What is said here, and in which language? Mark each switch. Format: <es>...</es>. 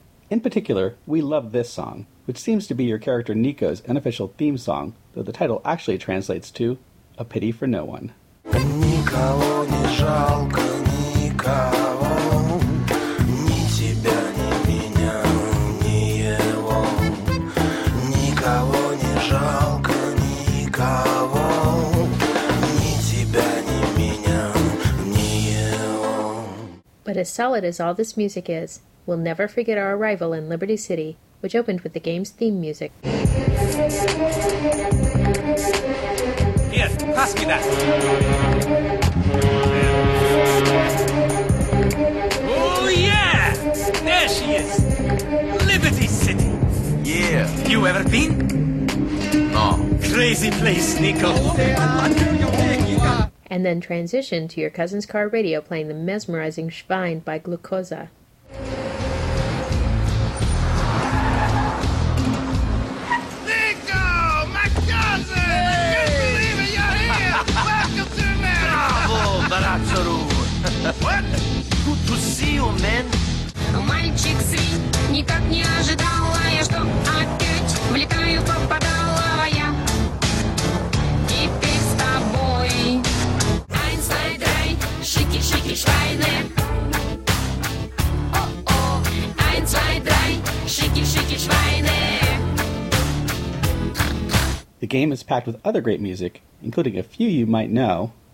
<en>In particular, we love this song, which seems to be your character Nico's unofficial theme song, though the title actually translates to A Pity for No One.</en> <ru>Никого не жалко, никого, ни тебя, ни меня, ни его. Никого не жалко, никого, ни тебя, ни меня, ни его.</ru> <en>But as solid as all this music is, we'll never forget our arrival in Liberty City, which opened with the game's theme music. Here, pass me that. Oh, yeah! There she is! Liberty City! Yeah. You ever been? No. Crazy place, Nico. And then transition to your cousin's car radio playing the mesmerizing Schwein by Glucosa. What? Good to see you, man.</en> <ru>Мальчик свин, никак не ожидала я, что опять влетаю, попадала я. Теперь с тобой.</ru> <de>Eins, zwei, drei,</de> <ru>шики, шики, швайны. О-о,</ru> <de>eins, zwei, drei,</de> <ru>шики, шики, швайны.</ru> <en>The game is packed with other great music, including a few you might know.</en>